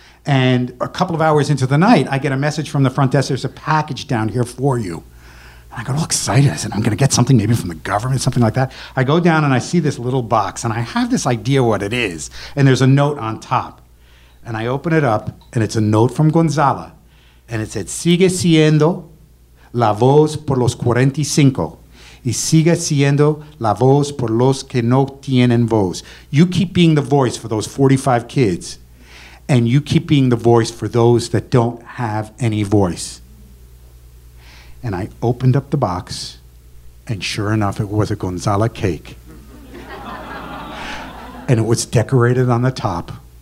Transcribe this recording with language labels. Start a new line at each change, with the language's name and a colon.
English: And a couple of hours into the night, I get a message from the front desk, there's a package down here for you. And I got all excited. I said, I'm going to get something maybe from the government, something like that. I go down and I see this little box, and I have this idea what it is. And there's a note on top. And I open it up, and it's a note from Gonzala. And it said,
Spanish: sigue siendo la voz por los 45, y sigue siendo la voz por los que no tienen voz.
English: You keep being the voice for those 45 kids, and you keep being the voice for those that don't have any voice. And I opened up the box, and sure enough, it was a Gonzala cake. And it was decorated on the top